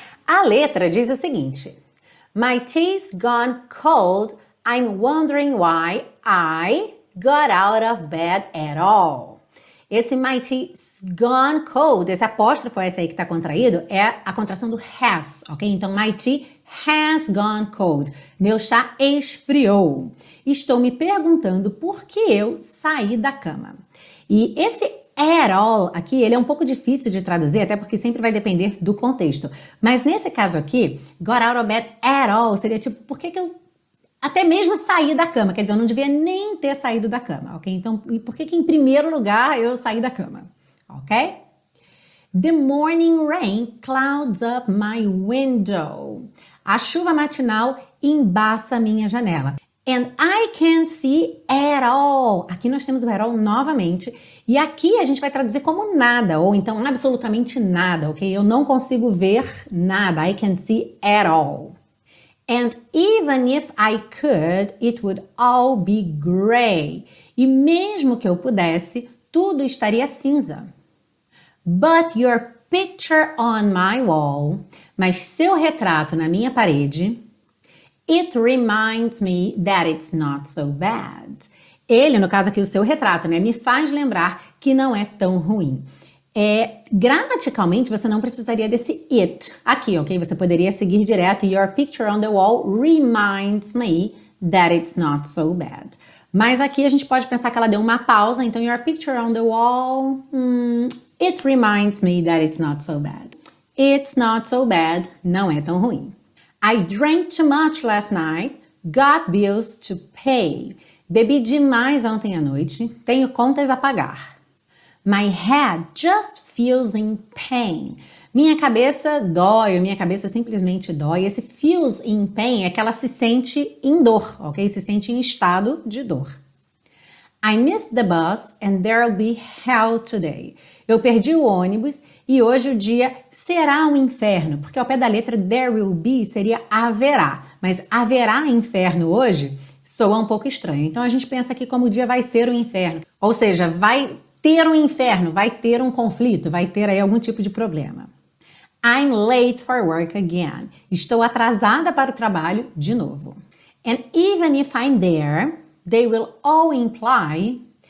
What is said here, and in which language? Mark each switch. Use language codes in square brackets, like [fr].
[pt] A letra diz o seguinte: [en] My tea's gone cold, I'm wondering why I got out of bed at all. [pt] Esse [en] my tea's gone cold, [pt] esse apóstrofo, esse aí que está contraído, é a contração do has, ok? [en] Então, my tea has gone cold. [pt] Meu chá esfriou. Estou me perguntando por que eu saí da cama. E esse at all aqui, ele é um pouco difícil de traduzir, até porque sempre vai depender do contexto. Mas nesse caso aqui, [en] got out of bed at all, [pt] seria tipo, por que que eu até mesmo saí da cama? Quer dizer, eu não devia nem ter saído da cama, ok? Então, e por que que em primeiro lugar eu saí da cama, ok? [en] The morning rain clouds up my window. [pt] A chuva matinal embaça minha janela. [en] And I can't see at all. [pt] Aqui nós temos o at all novamente. E aqui a gente vai traduzir como nada, ou então absolutamente nada, ok? Eu não consigo ver nada. [en] I can't see at all. And even if I could, it would all be gray. [pt] E mesmo que eu pudesse, tudo estaria cinza. [en] But your picture on my wall, [pt] mas seu retrato na minha parede, [en] it reminds me that it's not so bad. [pt] Ele, no caso aqui, o seu retrato, né, me faz lembrar que não é tão ruim. É, gramaticalmente, você não precisaria desse it aqui, ok? Você poderia seguir direto, [en] your picture on the wall reminds me that it's not so bad. [pt] Mas aqui a gente pode pensar que ela deu uma pausa, então [en] your picture on the wall, it reminds me that it's not so bad. It's not so bad, [pt] não é tão ruim. [en] I drank too much last night, got bills to pay. [pt] Bebi demais ontem à noite, tenho contas a pagar. [en] My head just feels in pain. [pt] Minha cabeça dói, minha cabeça simplesmente dói. Esse [en] feels in pain [pt] é que ela se sente em dor, ok? Se sente em estado de dor. [en] I missed the bus and there'll be hell today. [pt] Eu perdi o ônibus e hoje o dia será um inferno. Porque ao pé da letra [en] there will be [pt] seria haverá. Mas haverá inferno hoje soa um pouco estranho. Então a gente pensa aqui como o dia vai ser um inferno. Ou seja, vai ter um inferno, vai ter um conflito, vai ter aí algum tipo de problema. [en] I'm late for work again. [pt] Estou atrasada para o trabalho de novo. [en] And even if I'm there, they will all imply.